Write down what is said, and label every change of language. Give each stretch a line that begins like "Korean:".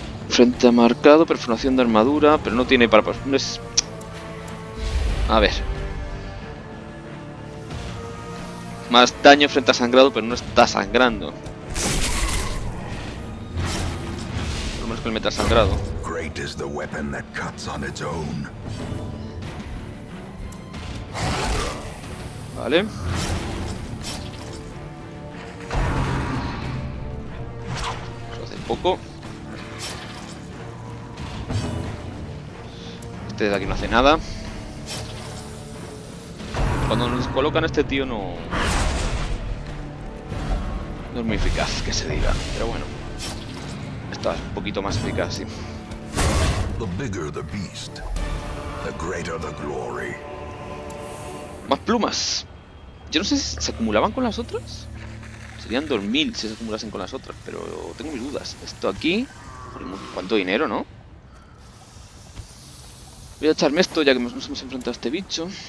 Spanish: Frente a marcado, perforación de armadura, pero no tiene para. No es. A ver. Más daño frente a sangrado, pero no está sangrando. Por lo menos que le meta sangrado.
English: Great is the weapon that cuts on its own.
Spanish: Vale. Eso hace poco. Este de aquí no hace nada. Cuando nos colocan este tío no. No es muy eficaz, que se diga. Pero bueno. Está un poquito más eficaz, sí.
English: The bigger the beast, the greater the glory.
Spanish: Más plumas. Yo no sé si se acumulaban con las otras. Serían 2000 si se acumulasen con las otras, pero tengo mis dudas. Esto aquí. ¿Cuánto dinero, no? Voy a echarme esto ya que nos hemos enfrentado a este bicho.